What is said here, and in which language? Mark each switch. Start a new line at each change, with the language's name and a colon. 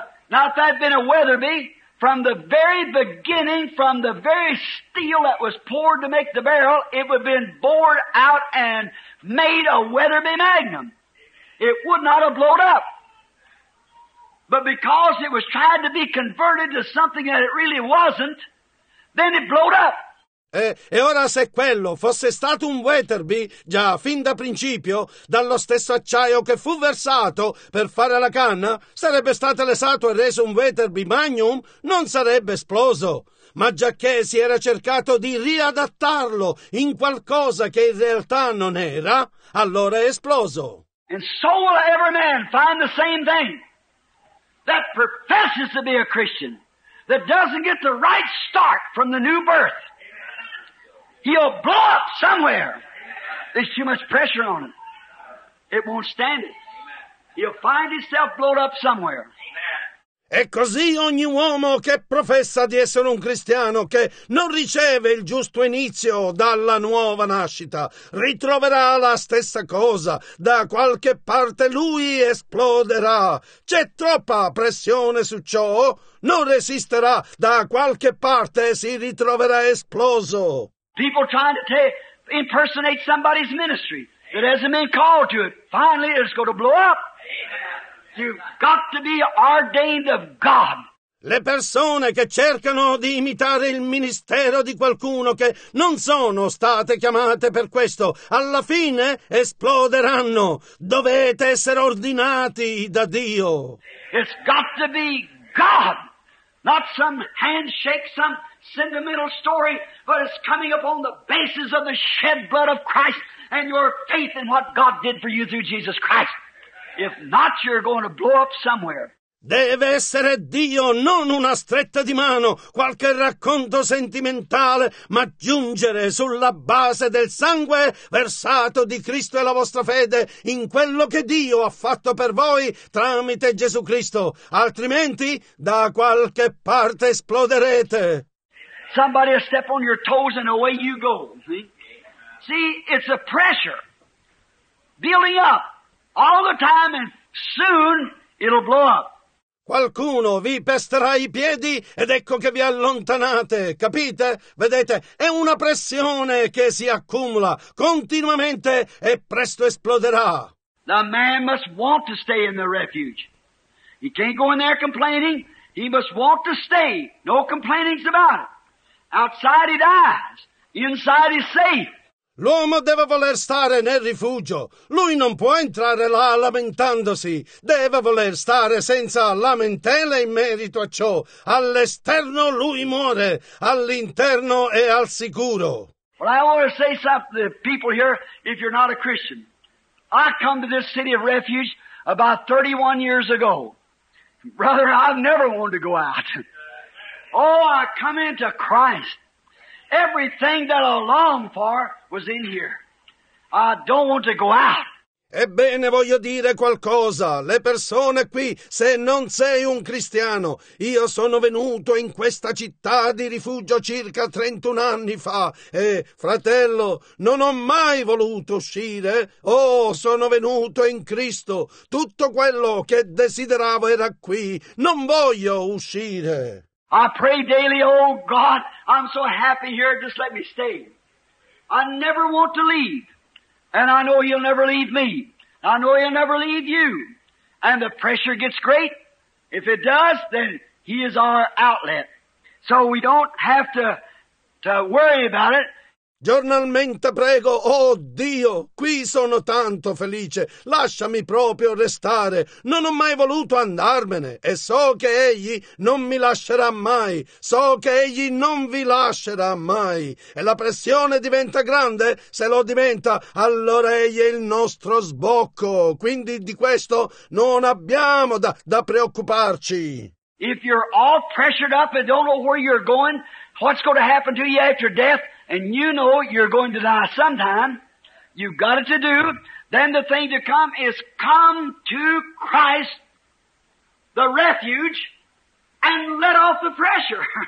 English: Not that been a Weatherby. From the very beginning, from the very steel that was poured to make the barrel, it would have been bored out and made a Weatherby Magnum. It would not have blown up. But because it was tried to be converted to something that it really wasn't, then it blowed up.
Italian: E ora se quello fosse stato un Weatherby, già fin da principio, dallo stesso acciaio che fu versato per fare la canna, sarebbe stato lesato e reso un Weatherby Magnum, non sarebbe esploso. Ma giacché si era cercato di riadattarlo in qualcosa che in realtà non era, allora è esploso.
English: And so will every man find the same thing that professes to be a Christian, that doesn't get the right start from the new birth. He'll blow up somewhere. There's too much pressure on him. It won't stand it. He'll find himself blown up somewhere.
Italian: E così ogni uomo che professa di essere un cristiano, che non riceve il giusto inizio dalla nuova nascita, ritroverà la stessa cosa. Da qualche parte lui esploderà. C'è troppa pressione su ciò. Non resisterà. Da qualche parte si ritroverà esploso.
English: People trying to impersonate somebody's ministry that hasn't been called to it. Finally, it's going to blow up. You've got to be ordained of God.
Italian: Le persone che cercano di imitare il ministero di qualcuno che non sono state chiamate per questo, alla fine esploderanno. Dovete essere ordinati da Dio.
English: It's got to be God, not some handshake, some sentimental story, but it's coming upon the basis of the shed blood of Christ and your faith in what God did for you through Jesus Christ. If not, you're going to blow up somewhere.
Italian: Deve essere Dio, non una stretta di mano, qualche racconto sentimentale, ma giungere sulla base del sangue versato di Cristo e la vostra fede in quello che Dio ha fatto per voi tramite Gesù Cristo. Altrimenti, da qualche parte esploderete.
English: Somebody will step on your toes and away you go. See, it's a pressure. Building up. All the time and soon it'll blow up.
Italian: Qualcuno vi pesterà i piedi ed ecco che vi allontanate. Capite? Vedete? È una pressione che si accumula continuamente e presto esploderà.
English: The man must want to stay in the refuge. He can't go in there complaining. He must want to stay. No complainings about it. Outside he dies. Inside he's safe.
Italian: L'uomo deve voler stare nel rifugio. Lui non può entrare là lamentandosi. Deve voler stare senza lamentele in merito a ciò. All'esterno lui muore. All'interno è al sicuro.
English: Well, I want to say something to the people here, if you're not a Christian. I come to this city of refuge about 31 years ago. Brother, I've never wanted to go out. Oh, I come into Christ. Everything that I long for was in here. I don't want to go out.
Italian: Ebbene, voglio dire qualcosa. Le persone qui, se non sei un cristiano, io sono venuto in questa città di rifugio circa 31 anni fa e, fratello, non ho mai voluto uscire. Oh, sono venuto in Cristo. Tutto quello che desideravo era qui. Non voglio uscire.
English: I pray daily, oh God, I'm so happy here, just let me stay. I never want to leave, and I know He'll never leave me. I know He'll never leave you. And the pressure gets great. If it does, then He is our outlet. So we don't have to worry about it.
Italian: Giornalmente prego, oh Dio, qui sono tanto felice, lasciami proprio restare, non ho mai voluto andarmene e so che Egli non mi lascerà mai, so che Egli non vi lascerà mai e la pressione diventa grande, se lo diventa allora Egli è il nostro sbocco, quindi di questo non abbiamo da preoccuparci.
English: If you're all pressured up and don't know where you're going, what's going to happen to you after death? And you know you're going to die sometime, you've got it to do, then the thing to come is come to Christ, the refuge, and let off the pressure.